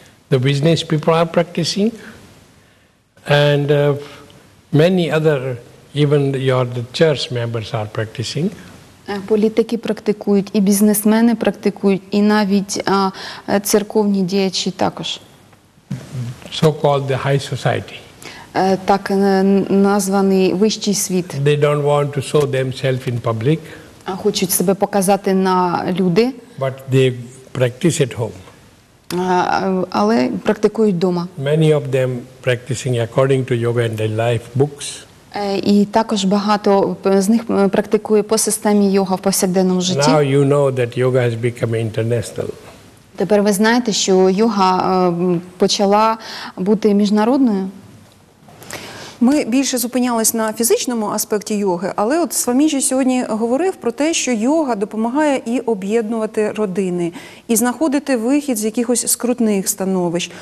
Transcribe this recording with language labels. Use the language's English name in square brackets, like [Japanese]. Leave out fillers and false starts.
[English] The business people are practicing, and many other, even the church members are practicing. [Ukrainian] Політики практикують, і бізнесмени практикують, і навіть церковні діячі також. [English] so-called the high society. [Ukrainian] Так названий вищий світ. [English] They don't want to show themselves in public. [Ukrainian] Хочуть себе показати на люди. [English] But they practice at home. [Ukrainian] Але практикують дома. [English] Many of them practicing according to Yoga and Life books. [Ukrainian] І також багато з них практикує по системі йога в повсякденному житті. [English] Now you know that yoga has become international. [Ukrainian] Тепер ви знаєте, що йога почала бути міжнародною. Ми більше зупинялись на фізичному аспекті йоги, але от Свамідзі сьогодні говорив про те, що йога допомагає і об'єднувати родини, і знаходити вихід з якихось скрутних становищ.